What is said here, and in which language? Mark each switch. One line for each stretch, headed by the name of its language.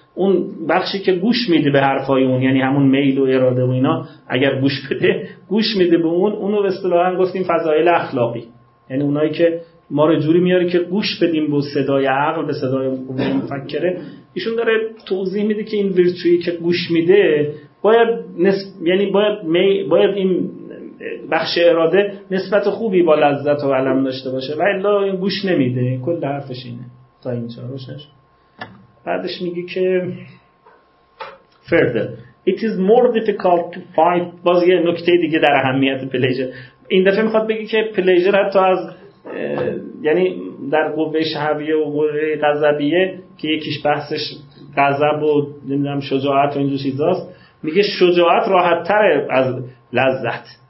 Persian: اون بخشی که گوش میده به حرفای اون، یعنی همون میل و اراده و اینا، اگر گوش بده، گوش میده به اون، اونو به اصطلاح گفتیم فضایل اخلاقی، یعنی اونایی که ما رو جوری میاره که گوش بدیم به صدای عقل، به صدای مفکره. ایشون داره توضیح میده که این ویرچویی که گوش میده باید یعنی باید این بخش اراده نسبت خوبی با لذت و علم داشته باشه، ولی این گوش نمیده. کل حرفش اینه تا اینجا روشنش. بعدش میگه که
English: further it is more difficult to fight.
Persian: باز یه نکته دیگه در اهمیت پلیجر، این دفعه میخواد بگه که پلیجر حتی از یعنی در قوه شهویه و قوه غضبیه که یکیش بحثش غضب و نمیدونم شجاعت و این جور چیزاست، میگه شجاعت راحت تره از لذت.